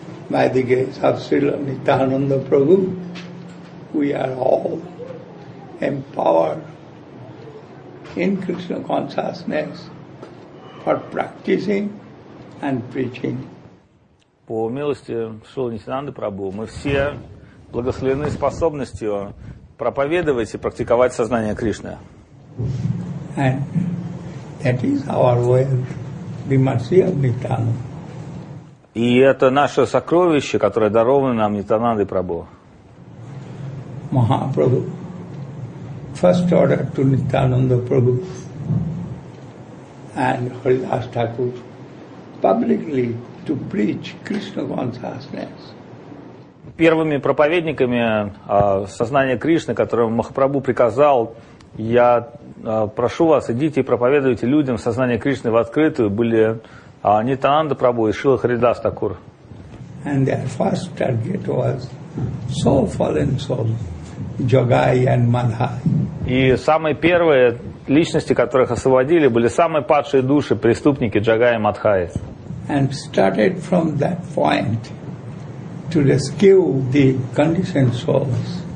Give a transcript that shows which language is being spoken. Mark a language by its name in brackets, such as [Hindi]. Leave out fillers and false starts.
[English] By the grace of Srila Nityananda Prabhu, we are all empowered in Krishna consciousness for practicing and preaching. [Russian] по милости Шрилы Нитинанды Прабху, мы все благословлены способностью проповедовать и практиковать сознание Кришны. [English] That is our wealth. We must see of Nityananda. [Russian] И это наше сокровище, которое даровано нам Нитинандой Прабху. [English] Mahaprabhu. First order to Nityananda Prabhu. And Haridas Thakur publicly to preach Krishna consciousness. [Russian] Первыми проповедниками сознания Кришны, которым Махапрабху приказал, я прошу вас, идите и проповедуйте людям сознание Кришны в открытую, были Нитянанда Прабху и Шрила Харидас Такур. [English] And their first target was so fallen soul, Jogai and Madhai. [Russian] И самые первые личности, которых освободили, были самые падшие души, преступники Джагай и Мадхай. [English] And started from that point to rescue the conditioned souls.